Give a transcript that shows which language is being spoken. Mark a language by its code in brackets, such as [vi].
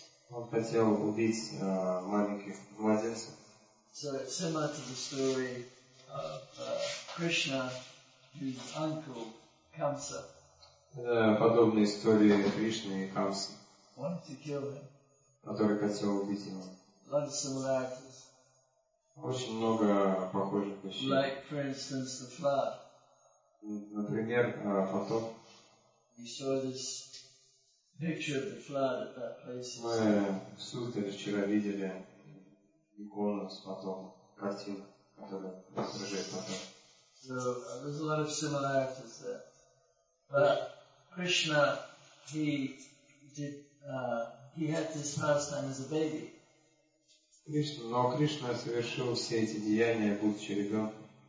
[ru] Он хотел убить маленьких младенцев. [en] So it's similar to the story of Krishna, whose uncle Kamsa. [ru] Подобная история Кришны и Камсы. [en] Wanted to kill him. [ru] Который хотел убить его. [en] Lots of similarities. [ru] Очень много похожих вещей. [en] Like, for instance, the flood. [ru] Например, поток. [en] We saw this picture of the flood at that place. [ru] Мы в Сутере вчера видели икону с потоком, картину, которая отражает поток. [en] So there's a lot of similarities there. But Krishna, he did, he had this pastime as a baby. [ru] Кришна, но Кришна совершил все эти деяния, будучи ребенком.